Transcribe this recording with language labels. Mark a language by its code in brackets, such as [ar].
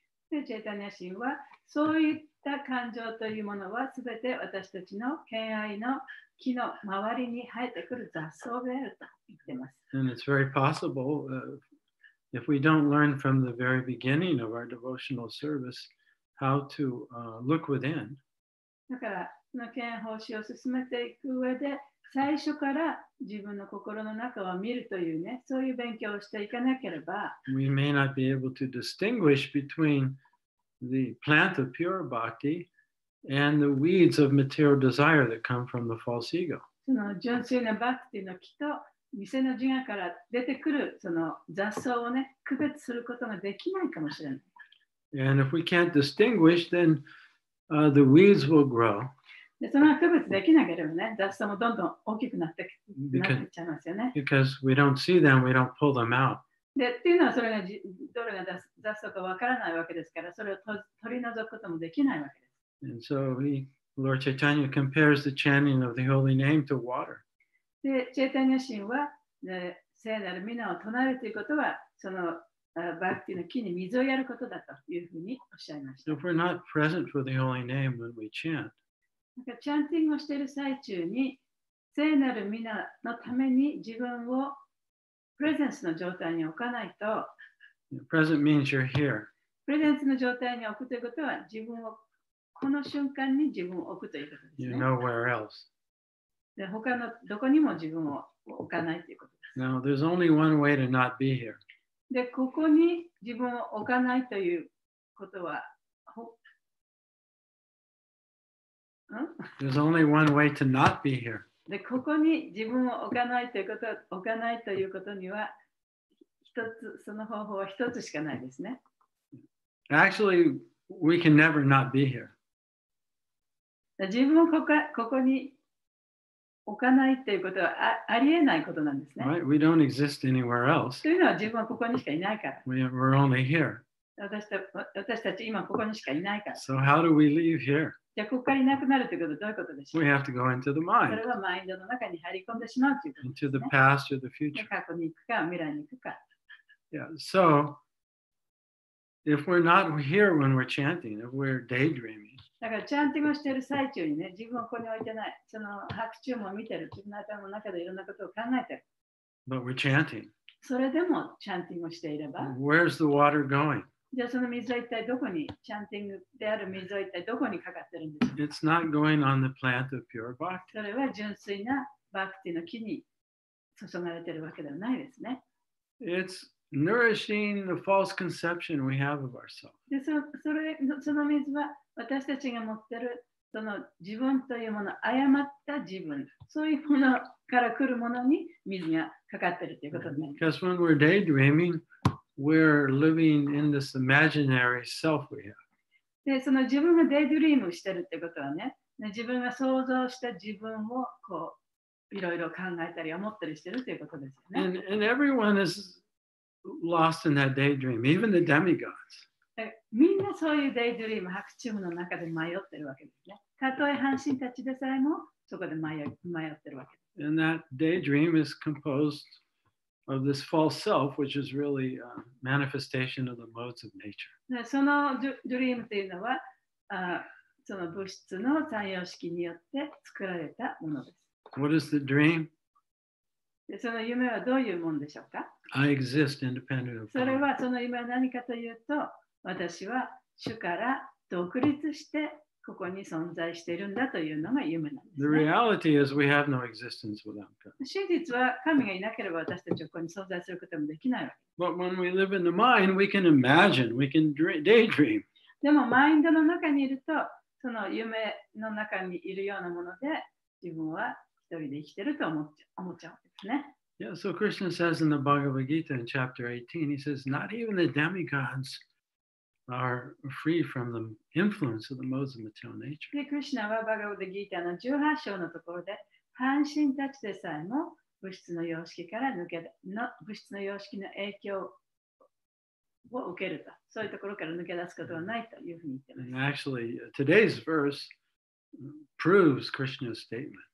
[ja] で、チェタニア神はそういった感情というものは全て私たちの敬愛の木の周りに生えてくる雑草であると言ってます。 [en] And it's very possible, if we don't learn from the very beginning of our devotional service how to look within. [ja] だから、その敬愛奉仕を進めていく上で、最初から自分の心の中を見るというね、そういう勉強をしていかなければ。 [en] We may not be able to distinguish between the plant of pure bhakti and the weeds of material desire that come from the false ego. [ja] その純粋なバクティの木と偽の自我から出てくるその雑草をね、区別することができないかもしれない。 [en] And if we can't distinguish, then the weeds will grow. [ja] で、その区別できなければね、雑草もどんどん大きくなってちゃいますよね。 [en] Because we don't see them, we don't pull them out. [ja] で、っていうのはそれがどれが雑草かわからないわけですから、それを取り除くこともできないわけです。 [en] And so Lord Chaitanya compares the chanting of the holy name to water. [ja] で、チェイタニア神は、聖なる皆を唱えるということは、そのバクティの木に水をやることだというふうにおっしゃいました。 [en] If we're not present for the holy name when we chant, [ja] なんかチャンティングをしている最中に聖なる皆のために自分をプレゼンスの状態に置かないと、 [en] present means you're here. [ja] プレゼンスの状態に置くということは、自分をこの瞬間に自分を置くということですね。 [en] You're nowhere else. [ja] で、他のどこにも自分を置かないということです。 [en] Now, there's only one way to not be here. [ja] で、ここに自分を置かないということは、 [en] There's only one way to not be here. [ja] で、ここに自分を置かないということ、置かないということには、一つ、その方法は一つしかないですね。 [en] Actually, we can never not be here. [ja] で、自分をここに置かないっていうことは ありえないことなんですね。 [en] Right? We don't exist anywhere else. [ja] というのは自分はここにしかいないから。 [en] We're only here. [ja] 私たち今ここにしかいないから。 [en] So how do we leave here? [ja] じゃあここからいなくなるということはどういうことでしょう。 [en] We have to go into the mind. [ja] それはマインドの中に入り込んでしまうということですね。 [en] Into the past or the future. [ja] 過去に行くか未来に行くか。 [en] Yeah. So if we're not here when we're chanting, if we're daydreaming. [ja] だからチャンティングしている最中にね、自分はここに置いてない。その白昼も見てる。自分の頭の中でいろんなことを考えてる。 [en] But we're chanting. [ja] それでもチャンティングをしていれば。 [en] Where's the water going? [ja] じゃあその水は一体どこに、チャンティングである水は一体どこにかかってるんですか? [en] It's not going on the plant of pure bhakti. [ja] それは純粋なバクティの木に注がれてるわけではないですね。 [en] It'snourishing the false conception we have of ourselves. [ja] で、その水は私たちが持ってるその自分というもの、誤った自分、そういうものから来るものに水がかかってるということになります。 [en] Because when we're daydreaming, we're living in this imaginary self we have. [ja] で、その自分がデイドリームしてるってことはね、自分が想像した自分をこういろいろ考えたり思ったりしてるということですよね。 [en] And everyone is. Lost in that daydream, even the demigods. [ja] みんなそういうデイドリーム、白昼夢の中で迷ってるわけですね。たとえ半身たちでさえもそこで迷ってるわけです。 [en] And that daydream is composed of this false self, which is really a manifestation of the modes of nature. [ja] そのドリームというのは、その物質の三様式によって作られたものです。 [en] What is the dream? [ja] その夢はどういうものでしょうか? [en] I exist independent of God. [ja] それはその夢は何かというと、私は主から独立してここに存在しているんだというのが夢なんです、ね。 [en] The reality is we have no existence without God. [ja] 真実は神がいなければ私たちはここに存在することもできないわけ。 [en] But when we live in the mind, we can imagine, we can daydream. [ja] でもマインドの中にいると、その夢の中にいるようなもので、自分は一人で生きてると思っちゃうんですね。 [en] Yeah, so Krishna says in the Bhagavad Gita in chapter 18, he says, not even the demigods are free from the influence of the modes of material nature. [ja] で、クリシュナはバガヴァッド・ギーターの18章のところで、半身たちでさえも物質の様式から抜けの物質の様式の影響を受けると、そういうところから抜け出すことはないというふうに言ってます。 [en] And actually, today's verse proves Krishna's statement.